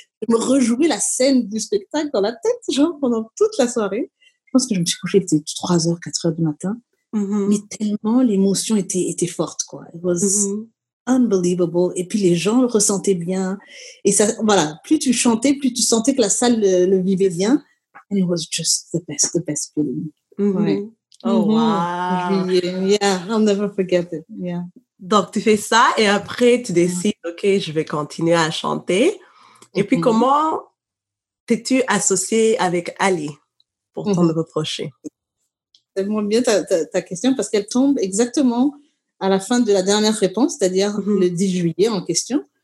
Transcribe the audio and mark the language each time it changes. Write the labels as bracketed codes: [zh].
[fr] Je me rejouais la scène du spectacle dans la tête, genre, pendant toute la soirée. Je pense que je me suis couchée, c'était 3h, 4h du matin. Mais tellement l'émotion était forte, quoi. [en] It was unbelievable. [fr] Et puis, les gens le ressentaient bien. Et ça, voilà, plus tu chantais, plus tu sentais que la salle le vivait bien. [en] And it was just the best feeling. [fr] Ouais. [en] Oh, wow. Yeah, I'll never forget it. Yeah. [fr] Donc, tu fais ça et après, tu décides, OK, je vais continuer à chanter. Et puis, comment t'es-tu associée avec Ali pour ton nouveau projet? C'est vraiment bien ta question parce qu'elle tombe exactement à la fin de la dernière réponse, c'est-à-dire le 10 juillet en question.